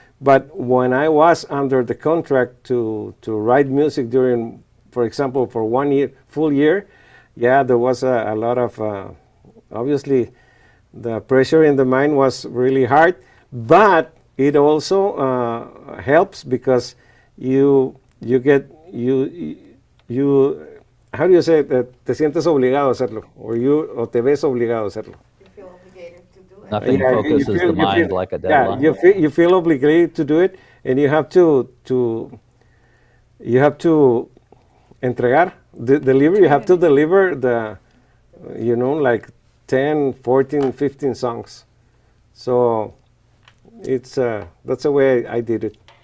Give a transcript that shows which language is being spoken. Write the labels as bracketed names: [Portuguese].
[English] But when I was under the contract to write music during, for example, for 1 year, full year, yeah, there was a lot of, obviously, the pressure in the mind was really hard, but it also helps because you get, how do you say it? [Spanish] Te sientes obligado a hacerlo, o te ves obligado a hacerlo. [English] Nothing focuses the mind like a deadline. Yeah, you feel obligated to do it, and you have to [Spanish] entregar, [English] deliver. You have to deliver the, you know, like 10, 14, 15 songs. So it's that's the way I did it.